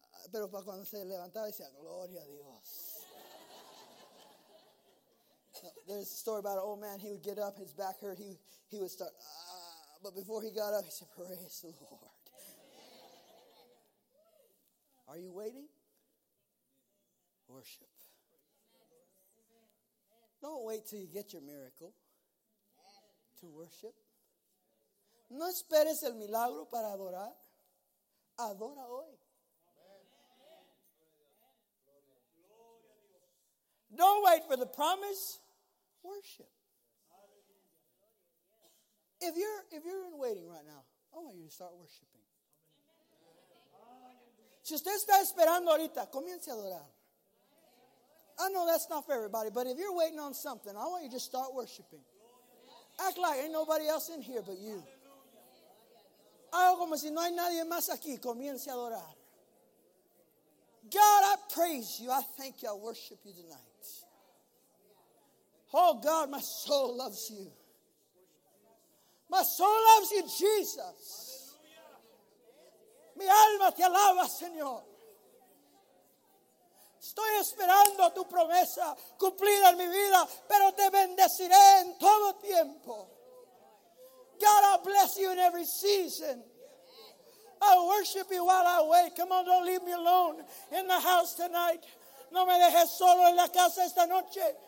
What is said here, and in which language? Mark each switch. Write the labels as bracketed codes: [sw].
[es] Pero para cuando se levantaba decía, gloria a Dios. [en] There's a story about an old man. He would get up, his back hurt. He would start, ah. But before he got up, he said, praise the Lord. Are you waiting? Worship. Don't wait till you get your miracle to worship. [es] No esperes el milagro para adorar. Adora hoy. [en] Don't wait for the promise. Worship. If you're in waiting right now, I want you to start worshiping. [es] Si usted está esperando ahorita, comience a adorar. [en] I know that's not for everybody, but if you're waiting on something, I want you to start worshiping. Act like ain't nobody else in here but you. [es] Hago como si no hay nadie más aquí. Comience a adorar. [en] God, I praise you. I thank you. I worship you tonight. Oh, God, my soul loves you. My soul loves you, Jesus. [es] Mi alma te alaba, Señor. Estoy esperando tu promesa cumplida en mi vida, pero te bendeciré en todo tiempo. [en] God, I bless you in every season. I worship you while I wait. Come on, don't leave me alone in the house tonight. [es] No me dejes solo en la casa esta noche.